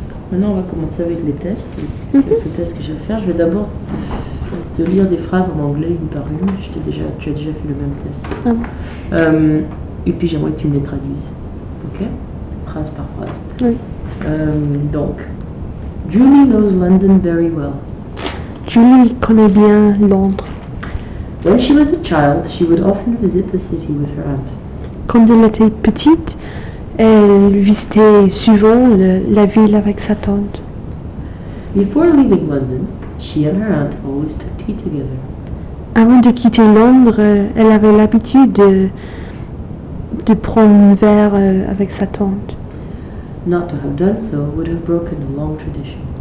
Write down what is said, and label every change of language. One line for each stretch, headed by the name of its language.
French: Maintenant, on va commencer avec les tests. Quelques tests que je vais faire. Je vais d'abord te lire des phrases en anglais une par une. Tu as déjà fait le même test. Ah bon. Et puis j'aimerais que tu me les traduises. Ok. Phrase par phrase. Oui. Donc,
English: Julie knows London very well.
French: Julie connaît bien Londres.
English: When she was a child, she would often visit the city with her aunt.
French: Quand elle était petite, elle visitait souvent la ville avec sa tante.
English: Before leaving London, she and her aunt always took tea together.
French: Avant de quitter Londres, elle avait l'habitude de prendre un verre avec sa tante.
English: Not to have done so would have broken a long tradition.